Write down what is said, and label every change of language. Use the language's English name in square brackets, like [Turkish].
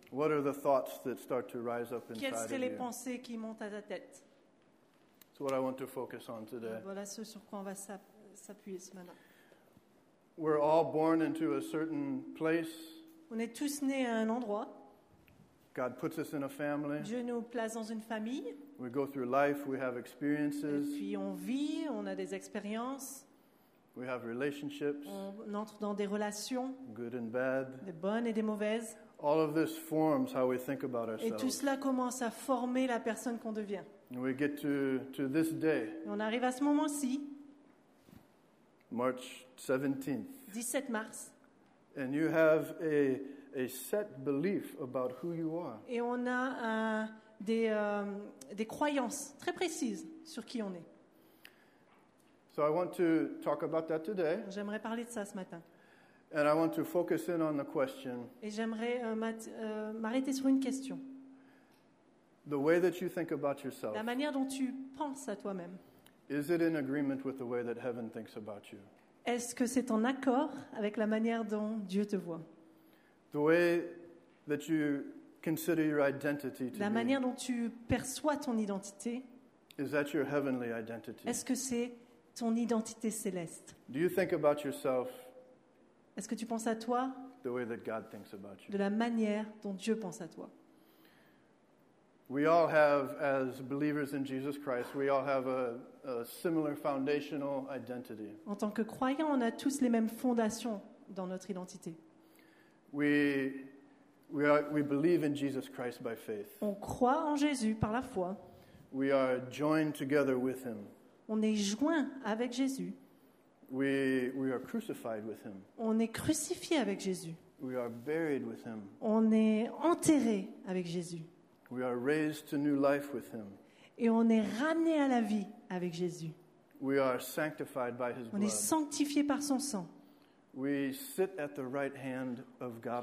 [English] What are the thoughts that start to rise up inside of [French] Quelles sont les pensées qui montent à ta tête? [English] That's what I want to focus on today. [French] Voilà ce sur quoi on va s'appuyer ce matin. [English] We're all born into a certain place. [French] On est tous nés à un endroit. [English] God puts us in a family. [French] Dieu nous place dans une famille. [English] We go through life, we have experiences. [French] Et puis on vit, on a des expériences. [English] We have relationships. [French] On entre dans des relations. [English] Good and bad. [French] Des bonnes et des mauvaises. [English] All of this forms how we think about ourselves. [French] Et tout cela commence à former la personne qu'on devient. [English] And we get to this day. [French] Et on arrive à ce moment-ci. [English] March 17th. [French] 17 mars. [English] And you have a set belief about who you are. [French] Et on a des croyances très précises sur qui on est. [English] So I want to talk about that today. [French] J'aimerais parler de ça ce matin. [English] And I want to focus in on the question. [French] Et j'aimerais m'arrêter sur une question. [English] The way that you think about yourself. [French] La manière dont tu penses à toi-même. [English] Is it in agreement with the way that heaven thinks about you? [French] Est-ce que c'est en accord avec la manière dont Dieu te voit? [English] The way that you consider your identity to [French] la manière dont tu perçois ton identité. [English] Is that your heavenly identity? [French] Est-ce que c'est ton identité céleste? [English] Do you think about yourself? [French] Est-ce que tu penses à toi? [English] The way that God thinks about you. [French] De la manière dont Dieu pense à toi. [English] We all have, as believers in Jesus Christ, we all have a similar foundational identity. [French] En tant que croyants, on a tous les mêmes fondations dans notre identité. [English] We believe in Jesus Christ by faith. [French] On croit en Jésus par la foi. [English] We are joined together with him. [French] On est joint avec Jésus. [English] We are crucified with him. [French] On est crucifié avec Jésus. [English] We are buried with him. [French] On est enterré avec Jésus. [English] We are raised to new life with him. [French] Et on est ramené à la vie avec Jésus. [English] We are sanctified by his [French] on [English] blood. [French] Est sanctifié par son sang. [English] We sit at the right hand of God